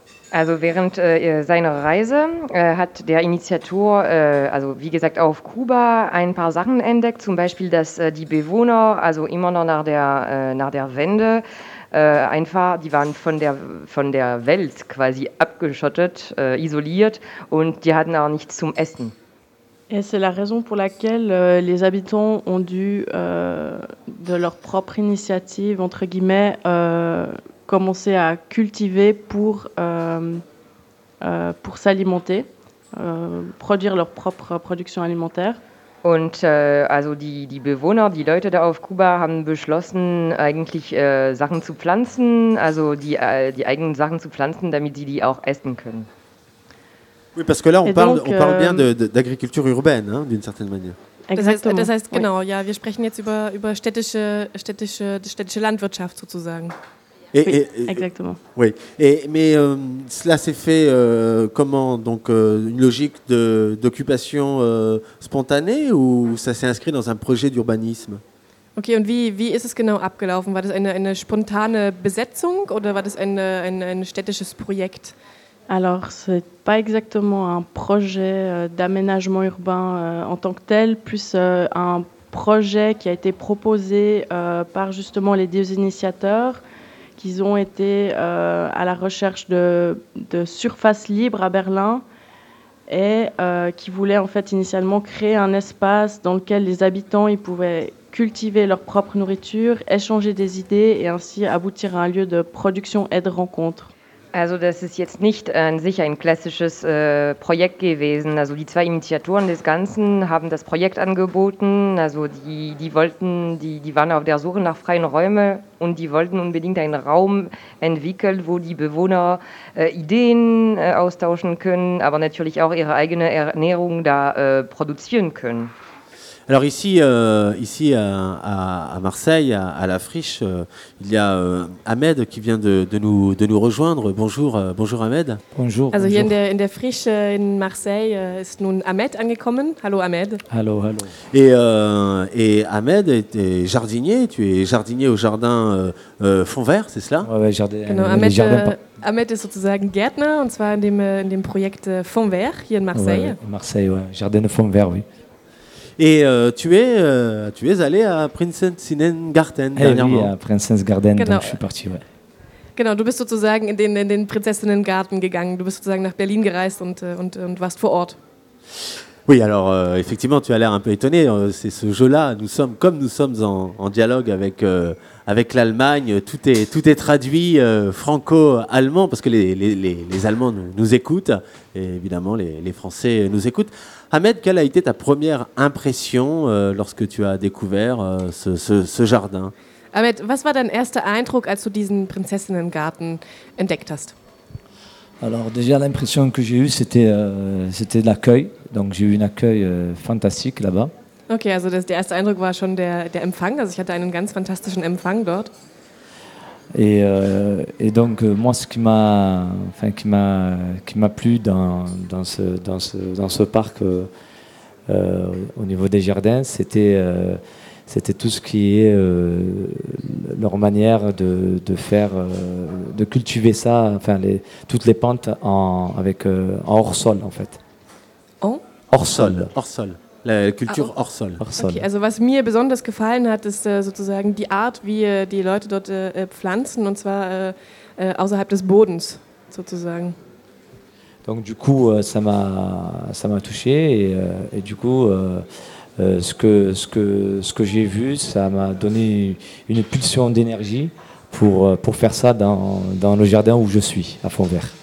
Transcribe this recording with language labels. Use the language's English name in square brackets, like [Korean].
[German] Also während seiner Reise hat der Initiator, also wie gesagt auf Kuba, ein paar Sachen entdeckt. Zum Beispiel, dass die Bewohner, also immer noch nach der Wende, einfach, die waren von der Welt quasi abgeschottet, isoliert und die hatten auch nichts zum Essen. [French] Et c'est la raison pour laquelle les habitants ont dû, de leur propre initiative, entre guillemets, commencer à cultiver pour s'alimenter, produire leur propre production alimentaire. [German] Und also die Bewohner, die Leute da auf Kuba haben beschlossen eigentlich Sachen zu pflanzen, also die eigenen Sachen zu pflanzen, damit sie die auch essen können. [French] Oui, parce que là on parle bien d'agriculture urbaine hein, d'une certaine manière. Exactement. [German] Das heißt genau, oui. Ja, wir sprechen jetzt über städtische Landwirtschaft sozusagen. [French] Et, oui, exactement. Oui. Cela s'est fait comment? Donc une logique d'occupation spontanée ou ça s'est inscrit dans un projet d'urbanisme? [German] Okay, und wie ist es genau abgelaufen? War das eine spontane Besetzung oder war das ein städtisches Projekt? [French] Alors, c'est pas exactement un projet d'aménagement urbain en tant que tel, plus un projet qui a été proposé par justement les deux initiateurs. Qu'ils ont été à la recherche de surfaces libres à Berlin et qui voulaient en fait initialement créer un espace dans lequel les habitants ils pouvaient cultiver leur propre nourriture, échanger des idées et ainsi aboutir à un lieu de production et de rencontre. [German] Also das ist jetzt nicht an sich ein klassisches Projekt gewesen. Also die zwei Initiatoren des Ganzen haben das Projekt angeboten. Also die waren auf der Suche nach freien Räumen und die wollten unbedingt einen Raum entwickeln, wo die Bewohner Ideen austauschen können, aber natürlich auch ihre eigene Ernährung da produzieren können. [French] Alors ici, ici à Marseille, à la Friche, il y a Ahmed qui vient de nous rejoindre. Bonjour, bonjour Ahmed. Bonjour. [German] Also [French] bonjour. [German] Hier in der Friche in Marseille ist nun Ahmed angekommen. Hallo Ahmed. Hallo, hallo. [French] Et Ahmed est jardinier. Tu es jardinier au jardin Fontvert, c'est cela? Ouais, jardin. [German] Genau, Ahmed ist sozusagen Gärtner und zwar in dem Projekt Fontvert hier in Marseille. [French] Ouais, Marseille, ouais. Jardin de Fontvert, oui. Et tu es allé à Prinzessinnengarten dernièrement. Oui, à Prinzessinnengarten, genau. Donc je suis parti, ouais. [German] Genau, du bist sozusagen in den Prinzessinnengarten gegangen. Du bist sozusagen nach Berlin gereist und warst vor Ort. [French] Oui, alors effectivement, tu as l'air un peu étonné. C'est ce jeu-là. Nous sommes en dialogue avec l'Allemagne. Tout est traduit franco-allemand parce que les Allemands nous écoutent et évidemment les Français nous écoutent. Ahmed, quelle a été ta première impression lorsque tu as découvert ce jardin? [German] Ahmed, was war dein erster Eindruck, als du diesen Prinzessinnengarten entdeckt hast? [French] Alors déjà l'impression que j'ai eue, c'était l'accueil. Donc j'ai eu un accueil fantastique là-bas. [German] Ok, also der erste Eindruck war schon der Empfang. Also ich hatte einen ganz fantastischen Empfang dort. [French] Et donc moi, ce qui m'a plu dans ce parc au niveau des jardins, c'était tout ce qui est leur manière de cultiver ça, enfin toutes les plantes en hors sol en fait. Hors sol. La culture hors-sol. [German] Okay, also was mir besonders gefallen hat, ist sozusagen die Art, wie die Leute dort pflanzen, und zwar außerhalb des Bodens, sozusagen. [French] Donc du coup, ça m'a touché, et du coup, ce que j'ai vu, ça m'a donné une pulsion d'énergie pour faire ça dans le jardin où je suis, à Fontvert.